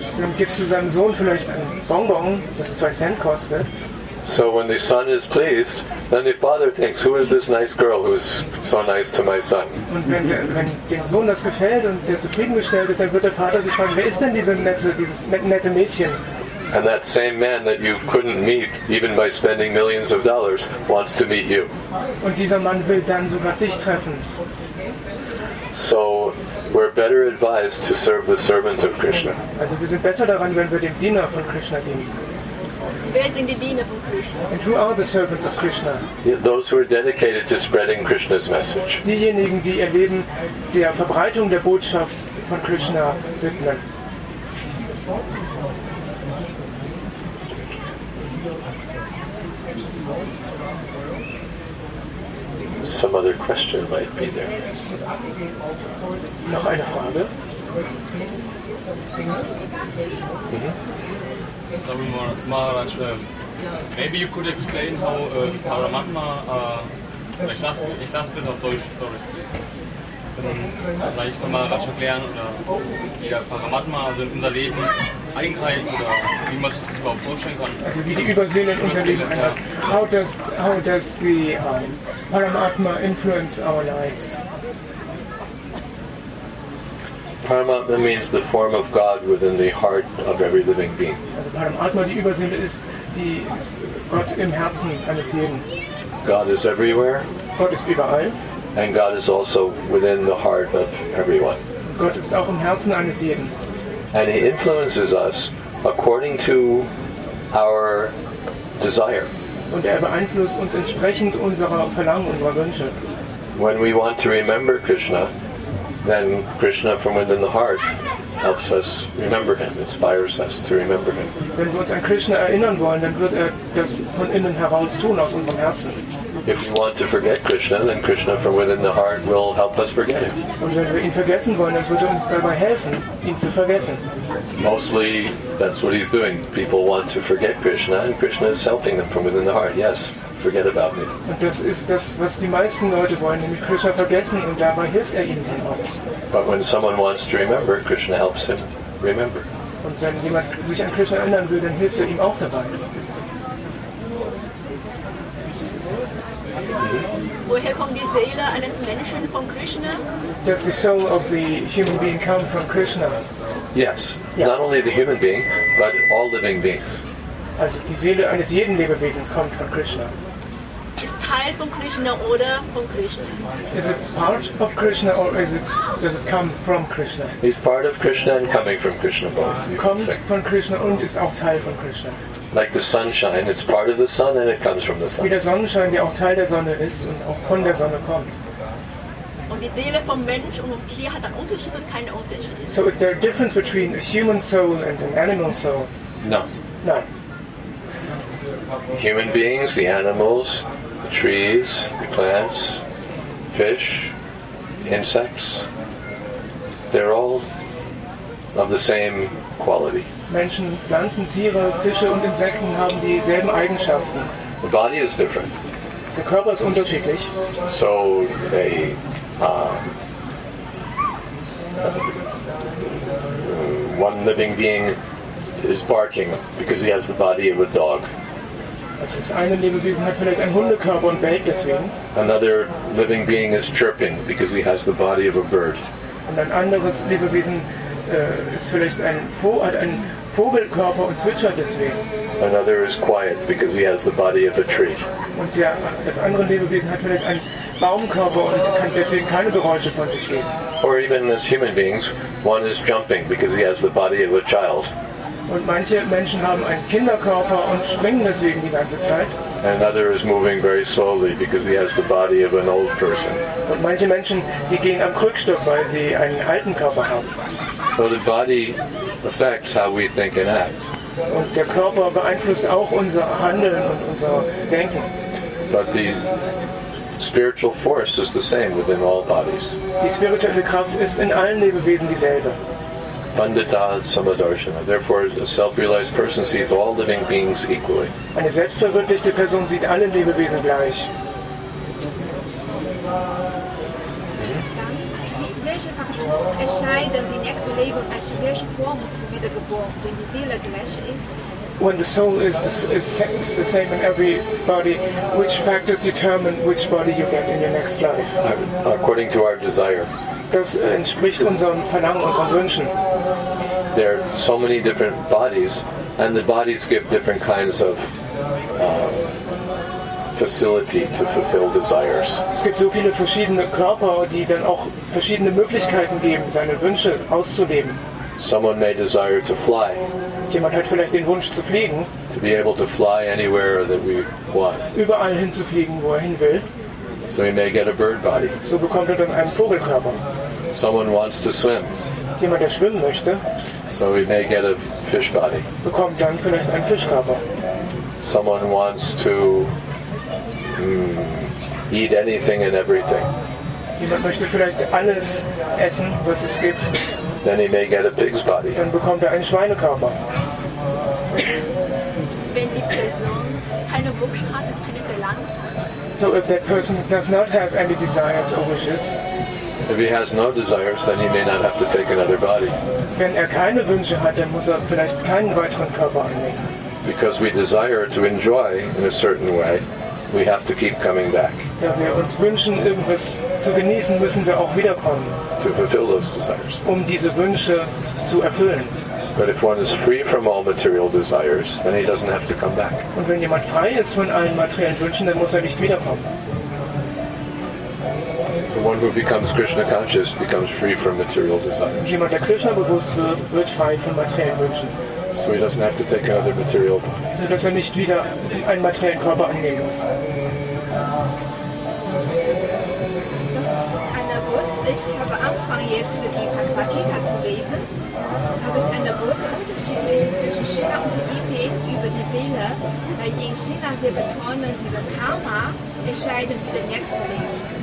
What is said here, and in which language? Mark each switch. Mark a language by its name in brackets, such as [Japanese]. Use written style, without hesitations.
[German] Dann gibst du seinem Sohn vielleicht ein Bonbon, das 2 Cent kostet. [English] So when the son is pleased, then the father thinks, who is this nice girl who's so nice to my son? [German] Und wenn dem Sohn das gefällt und der zufriedengestellt ist, dann wird der Vater sich fragen, wer ist denn dieses nette Mädchen? [English] And that same man that you couldn't meet even by spending millions of dollars wants to meet you. [German] Und dieser Mann will dann sogar dich treffen. [English] So we're better advised to serve the servant of Krishna. [German] Also wir sind besser daran, wenn wir dem Diener von Krishna dienen. Wer sind die Diener von Krishna? [English] And who are the servants of Krishna? Yeah, those who are dedicated to spreading Krishna's message. [German] Diejenigen, die ihr Leben der Verbreitung der Botschaft von Krishna widmen. [English] Thank you. some other question might be there. [German] Noch eine Frage? Sagen wir mal, Maharaj, [English] maybe you could explain how [German] Paramatma, ich sag's bis auf Deutsch, [English] sorry. [German] Vielleicht kann Maharaj erklären, oder wie der Paramatma also in unser Leben eingreift, oder wie man sich das überhaupt vorstellen kann. Also wie die Übersehen in unser Leben eingreift. [English] How does the Paramatma influence our lives? Paramatma means the form of God within the heart of every living being. [German] Also Paramatma, die Übersinne, ist die Gott im Herzen eines jeden. [English] God is everywhere. [German] Gott ist überall. [English] And God is also within the heart of everyone. [German] Gott ist auch im Herzen eines jeden. [English] And he influences us according to our desire. [German] Und er beeinflusst uns entsprechend unserer Verlangen, unserer Wünsche. [English] When we want to remember Krishna, then Krishna from within the heart helps us remember him, inspires us to remember him. [German] Wenn wir uns an Krishna erinnern wollen, dann wird er das von innen heraus tun, aus unserem Herzen. [English] If we want to forget Krishna, then Krishna from within the heart will help us forget him. [German] Und wenn wir ihn vergessen wollen, dann wird er uns dabei helfen, ihn zu vergessen. [English] Mostly, that's what he's doing. People want to forget Krishna, and Krishna is helping them from within the heart, yes. Forget about me. [German] Und das ist das, was die meisten Leute wollen, nämlich Krishna vergessen, und dabei hilft er ihnen dann auch. [English] But when someone wants to remember, Krishna helps him remember. [German] Und wenn jemand sich an Krishna erinnern will, dann hilft er ihm auch dabei. Woher kommt die Seele eines Menschen von Krishna? [English] Does the soul of the human being come from Krishna? Yes, yeah. Not only the human being, but all living beings. [German] Also die Seele eines jeden Lebewesens kommt von Krishna. Ist Teil von Krishna oder von Krishna? [English] Is it part of Krishna or is it, does it come from Krishna? It's part of Krishna and coming from Krishna both. [German] Kommt von Krishna und ist auch Teil von Krishna. [English] Like the sunshine, it's part of the sun and it comes from the sun. [German] Wie der Sonnenschein, der auch Teil der Sonne ist und auch von der Sonne kommt. Und die Seele vom Mensch und vom Tier hat einen Unterschied und keinen Unterschied. [English] So is there a difference between a human soul and an animal soul? No. [German] Nein. [English] Human beings, the animals, the trees, the plants, fish, insects, they're all of the same quality. [German] Menschen, Pflanzen, Tiere, Fische und Insekten haben dieselben Eigenschaften. [English] The body is different. [German] Der Körper ist unterschiedlich. [English] So they one living being is barking because he has the body of a dog. [German] Das eine Lebewesen hat vielleicht einen Hundekörper und bellt deswegen. [English] Another living being is chirping because he has the body of a bird. [German] Und ein anderes Lebewesen ist vielleicht ein Vogelkörper und zwitschert deswegen. [English] Another is quiet because he has the body of a tree. [German] Und das andere Lebewesen hat vielleicht einen Baumkörper und kann deswegen keine Geräusche von sich geben. [English] Or even as human beings, one is jumping because he has the body of a child. [German] Und manche Menschen haben einen Kinderkörper und springen deswegen die ganze Zeit. [English] Another is moving very slowly because he has the body of an old person. [German] Und manche Menschen, die gehen am Krückstock, weil sie einen alten Körper haben. [English] So the body affects how we think and act. [German] Und der Körper beeinflusst auch unser Handeln und unser Denken. [English] But the spiritual force is the same within all bodies. [German] Die spirituelle Kraft ist in allen Lebewesen dieselbe. [English] Pandita Samadarshana. Therefore, a self-realized person sees all living beings equally. [German] Eine selbstverwirklichte Person sieht alle Lebewesen gleich. Welche Faktoren entscheiden die nächste Leben, als welche Form zu wiedergeboren, wenn die Seele gleich ist? [English] When the soul is the same in every body, which factors determine which body you get in your next life? According to our desire. [German] Das entspricht unserem Verlangen, unseren Wünschen. [English] There are so many different bodies, and the bodies give different kinds of facility to fulfill desires. [German] Es gibt so viele verschiedene Körper, die dann auch verschiedene Möglichkeiten geben, seine Wünsche auszuleben. [English] Someone may desire to fly. [German] Jemand hat vielleicht den Wunsch zu fliegen. [English] To be able to fly anywhere that we want. [German] Überall hinzufliegen, wo er hin will. [English] So he may get a bird body. [German] So bekommt er dann einen Vogelkörper. [English] Someone wants to swim. [German] Jemand, der schwimmen möchte. [English] So he may get a fish body. [German] Bekommt dann vielleicht einen Fischkörper. [English] Someone wants to eat anything and everything. [German] Jemand möchte vielleicht alles essen, was es gibt. [English] Then he may get a pig's body. [German] Dann bekommt einen Schweinekörper. Wenn die Person keine Wunsch hat, keine Verlangen. [English] So if that person does not have any desires or wishes. If he has no desires, then he may not have to take another body. [German] Wenn keine Wünsche hat, dann muss vielleicht keinen weiteren Körper annehmen. [English] Because we desire to enjoy in a certain way, we have to keep coming back. [German] Da wir uns wünschen, irgendwas zu genießen, müssen wir auch wiederkommen. [English] To fulfill those desires. [German] Um diese Wünsche zu erfüllen. [English] But if one is free from all material desires, then he doesn't have to come back. [German] Und wenn jemand frei ist von allen materiellen Wünschen, dann muss nicht wiederkommen. [English] The one who becomes Krishna conscious becomes free from material desires. [German] Jemand, der Krishna bewusst wird, wird frei von materiellen Wünschen. [English] So he doesn't have to take another material body. [German] So dass nicht wieder einen materiellen Körper annehmen muss. Das ist eine Lust. Ich habe angefangen, jetzt die Bhagavad Gita zu lesen. Habe ich eine große Unterschied zwischen China und der Idee über die Seele, weil die in China sehr betonen, diese Karma entscheidet für den nächsten Leben.